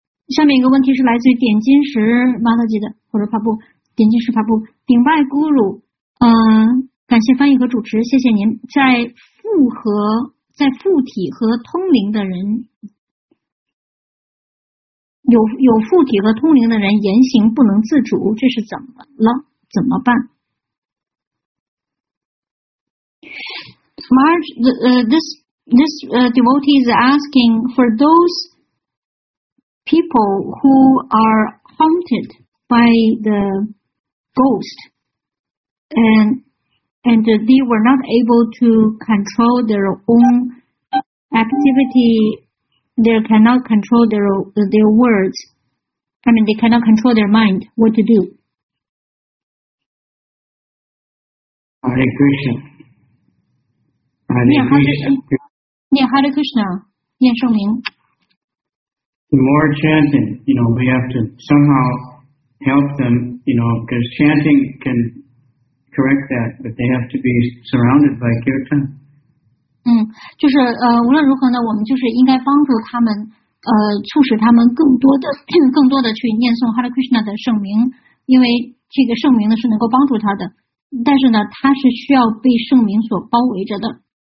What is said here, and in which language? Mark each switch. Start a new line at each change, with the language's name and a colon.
Chinese: 下面一个问题是来自于点金石马德吉的，或者发布点金石发布顶拜咕噜，感谢翻译和主持，谢谢您。在附体和通灵的人，有附体和通灵的人言行不能自主，这是怎么了？怎么办？
English: Marge, this devotee is asking for those people who are haunted by the ghost and they were not able to control their own activity, they cannot control their words, I mean they cannot control their mind, what to do? Hare Krishna. Hare Krishna. Yeah, Hare Krishna. The more chanting, you know, we have to somehow help them, you know, because chanting can correct that, but they have to be surrounded by kirtan.
Chinese: 就是无论如何呢，我们就是应该帮助他们，促使他们更多的去念诵 Hare Krishna 的圣名，因为这个圣名呢是能够帮助他的，但是呢，他是需要被圣名所包围着的。